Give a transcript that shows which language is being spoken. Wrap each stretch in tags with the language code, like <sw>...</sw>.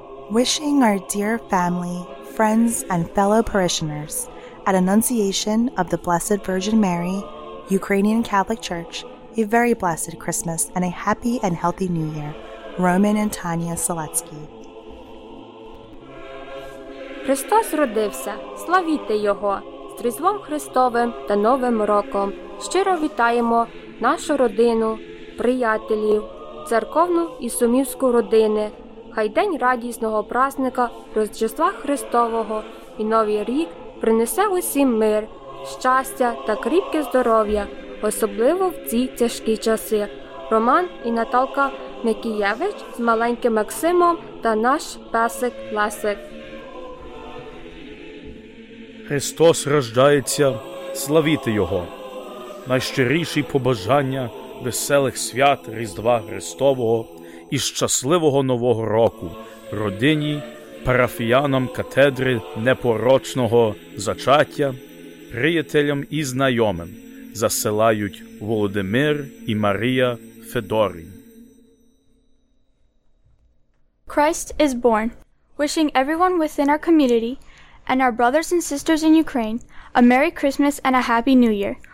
<en>Wishing our dear family, friends, and fellow parishioners at Annunciation of the Blessed Virgin Mary, Ukrainian Catholic Church, a very blessed Christmas and a happy and healthy New Year. Roman and Tanya Selecki.</en> <uk>Христос родився, славіте Його! З Різдвом Христовим та Новим Роком щиро вітаємо нашу родину, приятелів, церковну і сумівську родини. Хай день радісного праздника Різдва Христового і Новий Рік принесе усім мир, щастя та кріпке здоров'я, особливо в ці тяжкі часи. Роман і Наталка Микієвич з маленьким Максимом та наш песик Ласик. Христос рождається, славіте Його! Найщиріші побажання веселих свят Різдва Христового і щасливого Нового року родині, парафіянам катедри непорочного зачаття, приятелям і знайомим засилають Володимир і Марія Федорін.</uk> <en>Christ is born. Wishing everyone within our community and our brothers and sisters in Ukraine a Merry Christmas and a Happy New Year.</en>